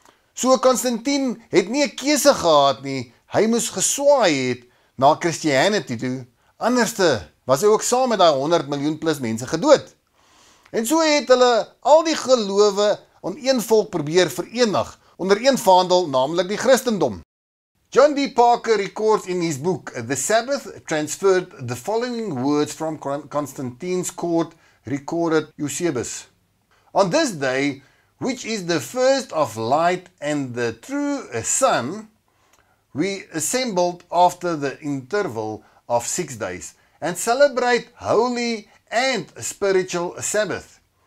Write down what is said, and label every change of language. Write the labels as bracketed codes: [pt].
[af] So Constantine het nie 'n keuse gehad nie, hy moes geswaai het na Christianity toe, anderste was hy ook saam met daai 100 miljoen plus mense gedood. En so het hulle al die gelowe aan een volk probeer verenig, onder een vaandel, namelijk die Christendom. [en] John D. Parker records in his book, The Sabbath transferred the following words from Constantine's court, recorded Eusebius. On this day, which is the first of light and the true sun, we assembled after the interval of 6 days, and celebrate holy and spiritual Sabbath.